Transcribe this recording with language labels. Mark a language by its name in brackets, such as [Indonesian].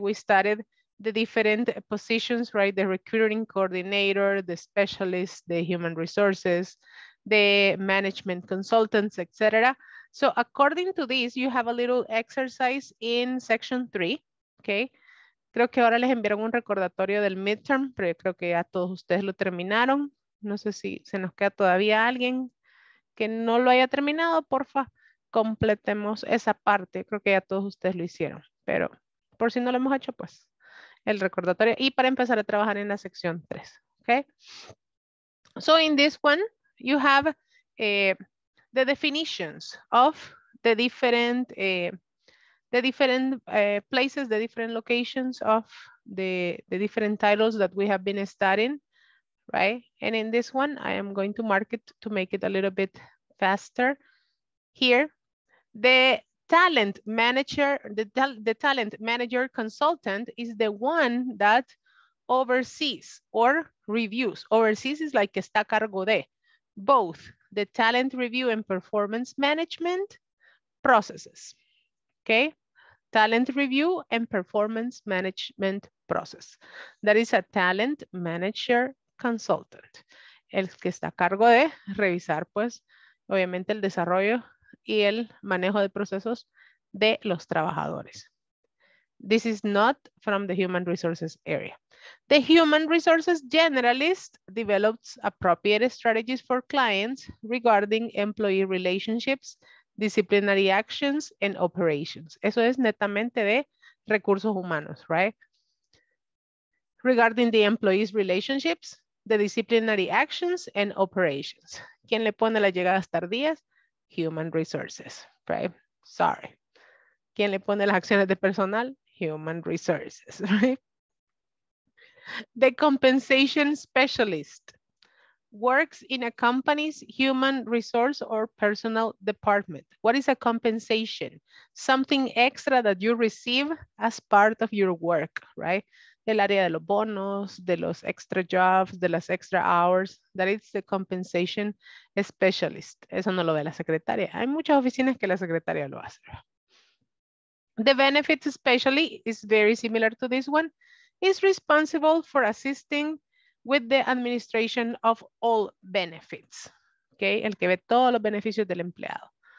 [English] We studied the different positions, right? The recruiting coordinator, the specialist, the human resources, the management consultants, etc. So according to this, you have a little exercise in section 3, okay? [Spanish] Creo que ahora les enviaron un recordatorio del midterm, pero yo creo que ya todos ustedes lo terminaron. No sé si se nos queda todavía alguien. Que no lo haya terminado, porfa, completemos esa parte. Creo que ya todos ustedes lo hicieron, pero por si no lo hemos hecho, pues, el recordatorio. Y para empezar a trabajar en la sección 3, ¿ok? [English] So in this one, you have the definitions of the different the different places, the different locations of the different titles that we have been studying, right? And in this one, I am going to mark it to make it a little bit faster. Here, the talent manager, the talent manager consultant is the one that oversees or reviews. Oversees is like [Spanish] está a cargo de [English] both the talent review and performance management processes. Okay, talent review and performance management process. That is a talent manager consultant. [Spanish] El que está a cargo de revisar, pues, obviamente el desarrollo y el manejo de procesos de los trabajadores. [English] This is not from the human resources area. The human resources generalist develops appropriate strategies for clients regarding employee relationships, disciplinary actions, and operations. [Spanish] Eso es netamente de recursos humanos, [English] right? Regarding the employees' relationships, the disciplinary actions, and operations. [Spanish] ¿Quién le pone las llegadas tardías? [English] Human resources, right? Sorry. [Spanish] ¿Quién le pone las acciones de personal? [English] Human resources, right? The compensation specialist works in a company's human resource or personal department. What is a compensation? Something extra that you receive as part of your work, right? [Spanish] El área de los bonos, de los extra jobs, de las extra hours. [English] That is the compensation specialist. [Spanish] Eso no lo ve la secretaria. Hay muchas oficinas que la secretaria lo hace. [English] The benefits specialist is very similar to this one. Is responsible for assisting with the administration of all benefits. [Spanish] Okay, el que ve todos los beneficios del empleado.